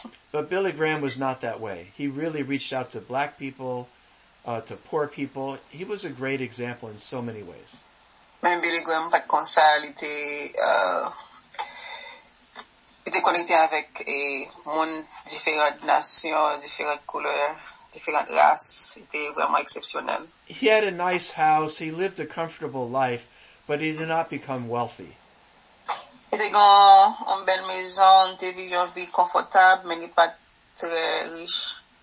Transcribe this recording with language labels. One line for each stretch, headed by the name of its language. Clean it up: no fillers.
English: But Billy Graham was not that way. He really reached out to black people, to poor people. He was a great example in so many ways.
French: Même Billy Graham, pas comme ça, il était connecté avec un monde différentes nations, différentes couleurs, différentes races. Il était vraiment exceptionnel.
English: He had a nice house. He lived a comfortable life, but he did not become wealthy.
French: Il était grand, une belle maison, il vivait une vie confortable, mais il n'est pas très riche.